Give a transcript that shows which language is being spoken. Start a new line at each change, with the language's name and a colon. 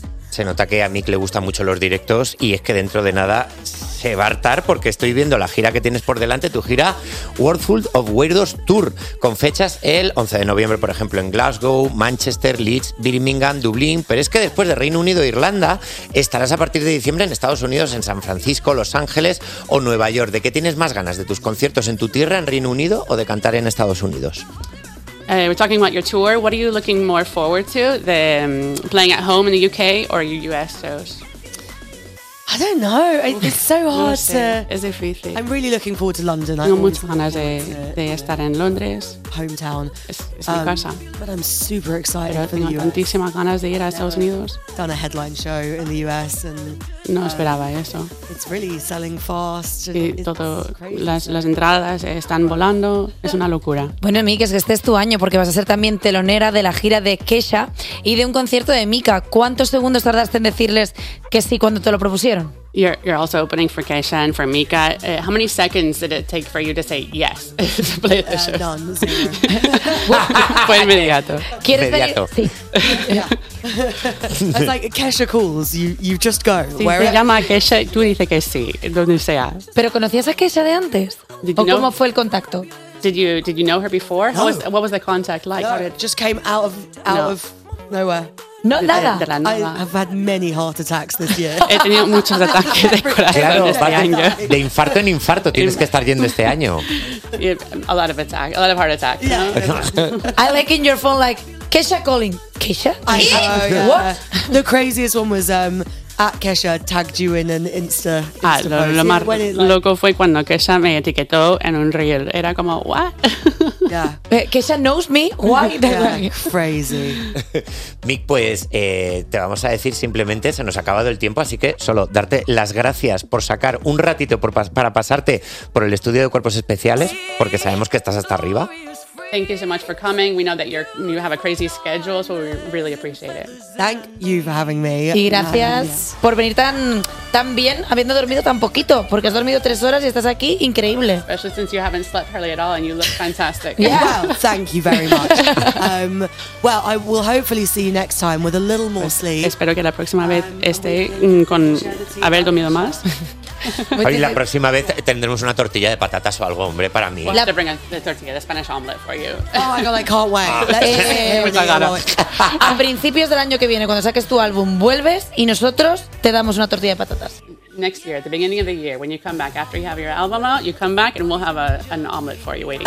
Spanish: Se nota que a Mick le gustan mucho los directos y es que dentro de nada se va a hartar porque estoy viendo la gira que tienes por delante, tu gira Worldful of Weirdos Tour, con fechas el 11 de noviembre, por ejemplo, en Glasgow, Manchester, Leeds, Birmingham, Dublín. Pero es que después de Reino Unido e Irlanda, estarás a partir de diciembre en Estados Unidos, en San Francisco, Los Ángeles o Nueva York. ¿De qué tienes más ganas? ¿De tus conciertos en tu tierra, en Reino Unido, o de cantar en Estados Unidos?
English: We're talking about your tour. What are you looking more forward to? The playing at home in the UK or your US shows? I don't know. It's so hard to.
Spanish: Es difícil.
English: I'm really looking forward to London.
Spanish: Tengo muchas ganas de estar en Londres.
English: Hometown.
Spanish: Es mi casa.
English: But I'm super excited for the US.
Spanish: Tengo tantísimas ganas de ir a Estados Unidos.
English: Done a headline show in the US and.
Spanish: No esperaba eso.
English: It's really selling fast.
Spanish: Y todo, las entradas están volando. Es una locura. Bueno, Mick, es que este es tu año porque vas a ser también telonera de la gira de Kesha y de un concierto de Mika. ¿Cuántos segundos tardaste en decirles que sí cuando te lo propusieron.
English: You're also opening for Kesha and for Mika. How many seconds did it take for you to say yes to play the show?
Spanish: Fue inmediato. ¿Quieres venir? Sí. Yeah.
English: It's like Kesha calls, you just go.
Spanish: Sí, se llama Kesha, tú dices que sí, donde sea. ¿Pero conocías a Kesha de antes? ¿O cómo fue el contacto?
English: Did you know her before? No. What was the contact like? No, it just came out of nowhere.
Spanish: No, nada.
English: I have had many heart attacks this year.
Spanish: He tenido muchos ataques de corazón. Claro, este año. De infarto en infarto tienes que estar yendo este año.
English: A lot of heart attacks. Yeah. I like in your phone, like, Kesha calling. Kesha? Yeah. What? The craziest one was at Kesha tagged you in an Insta.
Spanish: Lo más loco fue cuando Kesha me etiquetó en un reel. Era como, what?
English: Yeah. Kesha knows me. Why? Yeah, crazy.
Spanish: Mick, pues te vamos a decir simplemente, se nos ha acabado el tiempo, así que solo darte las gracias por sacar un ratito para pasarte por el estudio de Cuerpos Especiales, porque sabemos que estás hasta arriba.
English: Thank you so much for coming. We know that you have a crazy schedule, so we really appreciate it. Thank you for having me.
Spanish: Y gracias por venir tan bien, habiendo dormido tan poquito, porque has dormido 3 horas y estás aquí, increíble.
English: Especially since you haven't slept hardly at all and you look fantastic. Yeah. Wow, thank you very much. Well, I will hopefully see you next time with a little more sleep.
Spanish: Espero que la próxima vez esté con haber dormido más. Hoy la próxima vez tendremos una tortilla de patatas o algo, hombre, para mí.
English: We'll have to bring the tortilla, the Spanish omelet for you. Oh, my God, I can't wait.
Spanish: A principios del año que viene, cuando saques tu álbum, vuelves y nosotros te damos una tortilla de patatas.
English: Next year, at the beginning of the year, when you come back, after you have your album out, you come back and we'll have an omelet for you waiting.